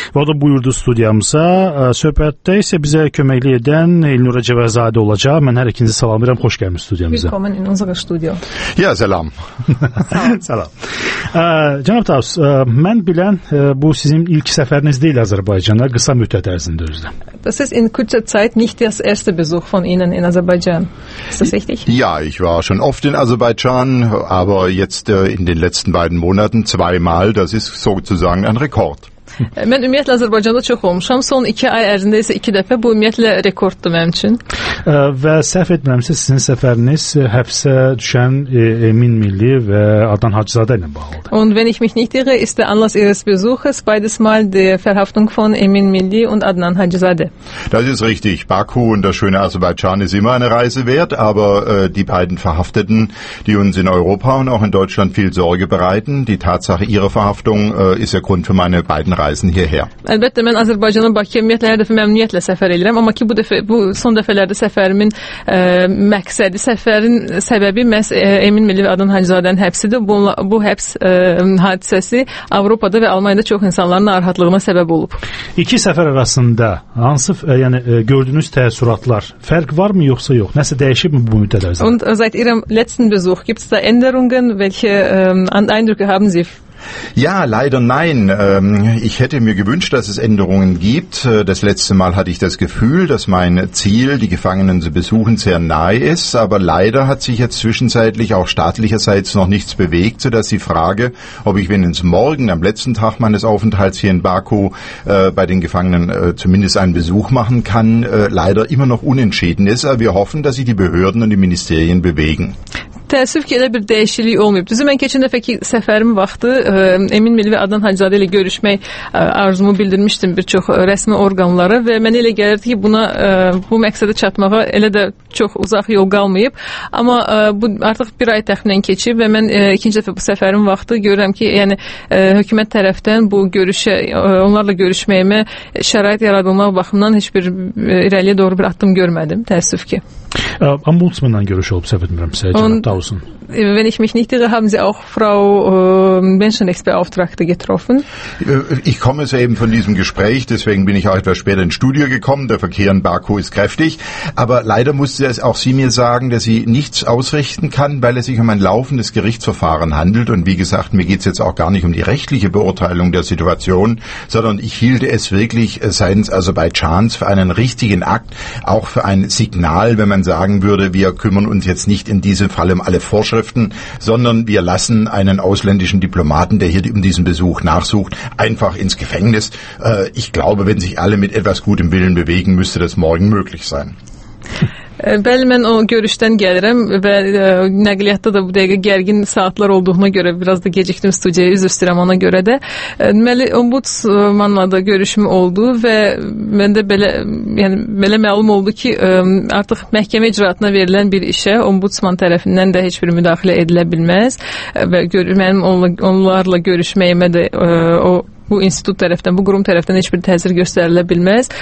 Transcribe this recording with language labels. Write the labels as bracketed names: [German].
[Azerbaijani] Və o da buyurdu studiyamıza. Söhbətdə isə bizə köməkli edən Elnura Cəvəzadə olacaq. Mən hər ikinizi salamlayıram. Xoş gəlmiş studiyamıza. [German] Willkommen in unserem Studio. [Azerbaijani] Ja, salam. Cənab Taus, mən bilən, bu sizin ilk səfəriniz deyil Azərbaycana, qısa müddət ərzində özdə. [German] Das ist in kurzer Zeit nicht das erste Besuch von Ihnen in Aserbaidschan. Ist das richtig? Ja, ich war schon oft in Aserbaidschan, aber jetzt in den letzten beiden Monaten zweimal, das ist sozusagen ein Rekord. [Azerbaijani] Mən ümumiyyətlə Azərbaycanda çox olmuşam. Son 2 ay ərzində isə 2 dəfə. Bu ümumiyyətlə rekorddur mənim üçün. Və səhv etmirəmsə, sizin səfəriniz həbsə düşən Emin Milli və Adan Hacızadə ilə bağlıdır. [German] Und wenn ich mich nicht irre, ist der Anlass ihres Besuches beides Mal die Verhaftung von Emin Milli und Adnan Hacızadeh. Das ist richtig. Baku und das schöne Aserbaidschan ist immer eine Reise wert, aber die beiden Verhafteten, die uns in Europa und auch in Deutschland viel Sorge bereiten, die Tatsache ihrer Verhaftung ist der Grund für meine beiden reisen hierher. [Azerbaijani] Elbette, mən Azərbaycanın Bakıya ümumiyyətlə hər dəfə məmnuniyyətlə səfər edirəm, amma ki bu dəfə bu son dəfələrdə səfərimin məqsədi, səfərin səbəbi məhz Emin Milli və Adnan Hacızadənin həbsidir. Bu həbs hadisəsi Avropada və Almaniyada çox insanların narahatlığına səbəb olub. İki səfər arasında hansı yəni gördüyünüz təəssüratlar fərq var mı yoxsa yox? Nəsə dəyişib mi bu müddət ərzində? [German] Und seit ihrem letzten Besuch gibt es da Änderungen, welche Eindrücke haben Sie? Ja, leider nein. Ich hätte mir gewünscht, dass es Änderungen gibt. Das letzte Mal hatte ich das Gefühl, dass mein Ziel, die Gefangenen zu besuchen, sehr nahe ist. Aber leider hat sich jetzt zwischenzeitlich auch staatlicherseits noch nichts bewegt, sodass die Frage, ob ich wenigstens morgen, am letzten Tag meines Aufenthalts hier in Baku, bei den Gefangenen zumindest einen Besuch machen kann, leider immer noch unentschieden ist. Aber wir hoffen, dass sich die Behörden und die Ministerien bewegen. [Azerbaijani] Təəssüf ki, elə bir dəyişiklik olmayıb. Düzü, mən keçən dəfəki səfərim vaxtı Emin Milli və Adnan Hacızadə ilə görüşmək arzumu bildirmişdim bir çox rəsmi orqanlara və mənə elə gəlirdi ki, buna bu məqsədə çatmağa elə də çox uzaq yol qalmayıb. Amma bu artıq bir ay təxminən keçib və mən ikinci dəfə bu səfərim vaxtı görürəm ki, yəni hökumət tərəfdən bu görüşə, onlarla görüşməyimə şərait yaradılmaq baxımından heç bir irəliyə doğru bir addım görmədim, təəssüf ki. Ombudsmanla görüş olub səhv etmirəmsə, Cənab Tausen. [German] Wenn ich mich nicht irre, haben Sie auch Frau Menschenrechtsbeauftragte getroffen? Ich komme soeben von diesem Gespräch, deswegen bin ich auch etwas später ins Studio gekommen. Der Verkehr in Baku ist kräftig. Aber leider musste es auch sie mir sagen, dass sie nichts ausrichten kann, weil es sich um ein laufendes Gerichtsverfahren handelt. Und wie gesagt, mir geht es jetzt auch gar nicht um die rechtliche Beurteilung der Situation, sondern ich hielte es wirklich seitens Aserbaidschans für einen richtigen Akt, auch für ein Signal, wenn man sagen würde, wir kümmern uns jetzt nicht in diesem Fall um alle Vorschriften, sondern wir lassen einen ausländischen Diplomaten, der hier um diesen Besuch nachsucht, einfach ins Gefängnis. Ich glaube, wenn sich alle mit etwas gutem Willen bewegen, müsste das morgen möglich sein. [Azerbaijani] Bəli, mən o görüşdən gəlirəm və nəqliyyatda da bu dəqiqə gərgin saatlar olduğuna görə biraz da gecikdim studiyaya, üzr istəyirəm ona görə də. Deməli, ombudsmanla da görüşüm oldu və məndə belə, yəni belə məlum oldu ki, artıq məhkəmə icraatına verilən bir işə ombudsman tərəfindən də heç bir müdaxilə edilə bilməz və mənim onlarla görüşməyimə də o bu institut tərəfdən, bu qurum tərəfdən heç bir təsir göstərilə bilməz.